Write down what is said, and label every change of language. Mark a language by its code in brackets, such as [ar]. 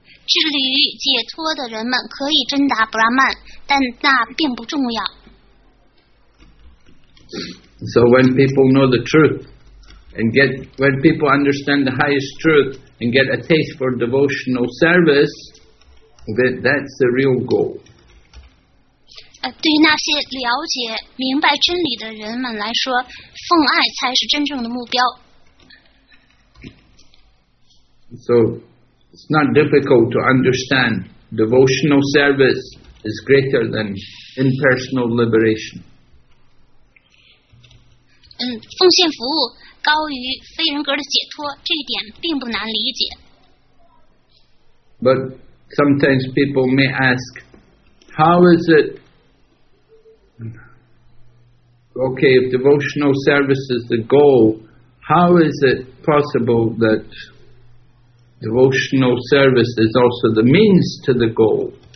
[zh] 致力于解脱的人们可以真达 Brahman, 但那并不重要。 [en] So when people know the truth, when people understand the highest truth and get a taste for devotional service, that's the real goal. [zh] 对于那些了解明白真理的人们来说，奉爱才是真正的目标。 [en] So it's not difficult to understand devotional service is greater than impersonal liberation. [zh] 奉献服务高于非人格的解脱，这一点并不难理解。 [en] But sometimes people may ask, how is it? Okay, if devotional service is the goal, how is it possible that devotional service is also the means to the goal?